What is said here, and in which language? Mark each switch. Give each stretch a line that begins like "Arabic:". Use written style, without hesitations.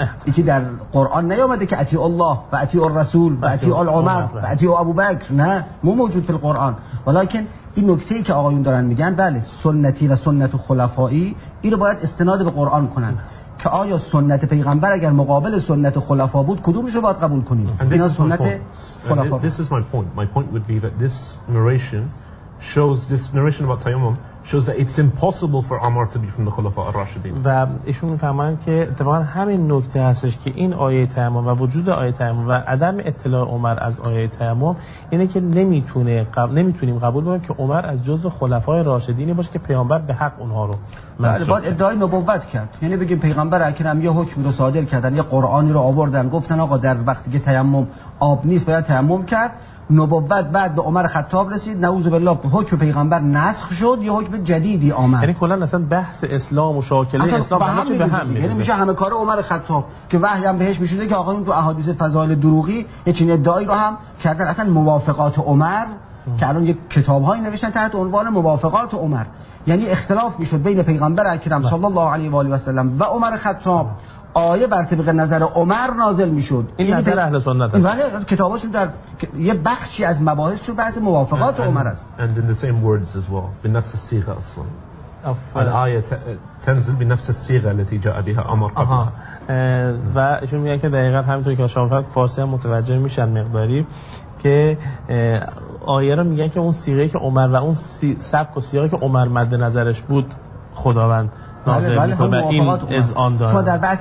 Persian: این که در قرآن نیامده که
Arabic: اطیع الله و اطیع الرسول و اطیع العمر و اطیع ابوبکر،
Persian: نه، مو موجود در قرآن. ولیکن این نکته ای که آقایون دارن میگن، بله، سنتی و سنت خلفایی، اینو باید استناد به قرآن کنن که آیا سنت پیغمبر اگر مقابل سنت خلفا بود کدومش رو باید قبول کنیم؟ اینا سنت خلفا.
English: This is my point. My point would be that this narration shows, this narration about tayammum shows that it's impossible for Umar to be from the Khulafa ar-Rashidin.
Persian: و ایشون میفهمن که اتفاقا همین نکته هستش که این آیه تیمم و وجود آیه تیمم و عدم اطلاع عمر از آیه تیمم اینه که نمیتونیم قبول کنیم که عمر از جزء خلفای راشدینی باشه که پیامبر به حق اونها رو بعد ادعای نبوت کرد. یعنی بگیم پیغمبر اکرم یه حکم رو صادر کردن، یه قرآنی رو آوردن، گفتن آقا در وقتی که تیمم آب نیست باید تیمم کرد، نبوت بعد به عمر خطاب رسید، نعوذ بالله حکم پیغمبر نسخ شد، یه حکم جدیدی آمد. یعنی کلا اصلا بحث اسلام و شاکله اصلا اسلام همه چی به هم میریزه. یعنی میشه همه کار عمر خطاب که وحی هم بهش میشده که آقا اون تو احادیث فضائل دروغی یه چنین ادعایی رو هم کردن، اصلا موافقات عمر که الان یک کتابهایی نوشتن تحت عنوان موافقات عمر، یعنی اختلاف میشد بین پیغمبر اکرم صلی الله علیه و آله و سلم و عمر خطاب، آیه بر طبق نظر عمر نازل میشد. این نظر اهل سنت است. بله، کتاباشون در یه بخشی از مباحث شو بحث موافقات عمر است.
English: And in the same words as well.
Arabic: بنفس الصيغه اصلا. الآیه تنزل بنفس الصيغه التي جاء بها عمر قبلها.
Persian: و ایشون میگه که دقیقاً همینطوری که شما فارسی هم متوجه میشن مقداری که آیه رو میگن که اون صیغه که عمر و اون سبک و صیغه که عمر مد نظرش بود خداوند نازل میکنه. این از آن داره.